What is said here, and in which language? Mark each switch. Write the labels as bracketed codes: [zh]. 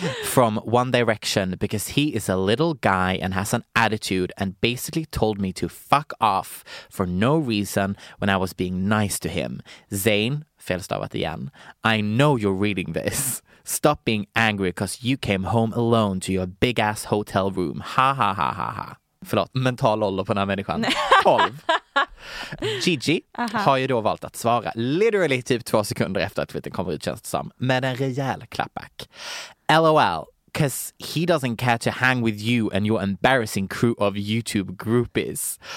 [en] From One Direction, because he is a little guy and has an attitude and basically told me to fuck off for no reason when I was being nice to him. Zayn, [sv] felstavat igen, [en] I know you're reading this. Stop being angry because you came home alone to your big ass hotel room. Ha ha ha ha ha. [sv] Förlåt, mental ålder på den här människan. 12. Gigi har ju då valt att svara literally typ 2 sekunder efter att tweeten kommer ut, känns det som, med en rejäl clapback. [en] LOL, cause he doesn't care to hang with you and your embarrassing crew of YouTube groupies.